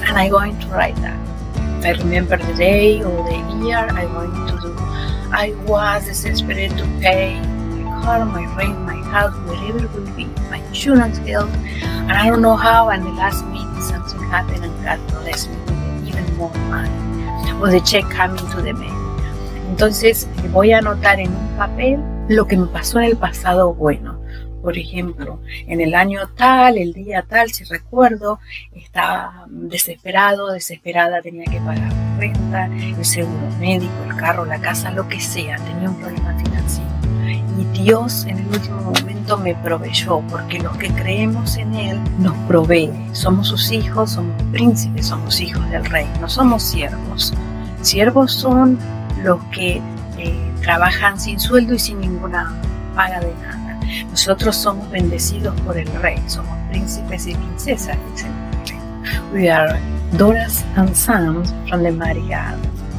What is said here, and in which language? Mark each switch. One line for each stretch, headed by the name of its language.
English: And I'm going to write that. If I remember the day or the year I'm going to do. I was desperate to pay my car, my rent, my house, whatever it will be, my insurance bill. And I don't know how, and the last minute something happened and God blessed me with even more money. Or the check coming to the mail.
Spanish: Entonces, voy a anotar en un papel lo que me pasó en el pasado bueno. Por ejemplo, en el año tal, el día tal, si recuerdo, estaba desesperado, desesperada, tenía que pagar renta, el seguro médico, el carro, la casa, lo que sea, tenía un problema financiero. Y Dios en el último momento me proveyó, porque los que creemos en Él nos provee. Somos sus hijos, somos príncipes, somos hijos del Rey, no somos siervos. Siervos son los que trabajan sin sueldo y sin ninguna paga de nada. Nosotros somos bendecidos por el Rey, somos príncipes y princesas, dice el Rey.
English: We are daughters and sons from the mighty God.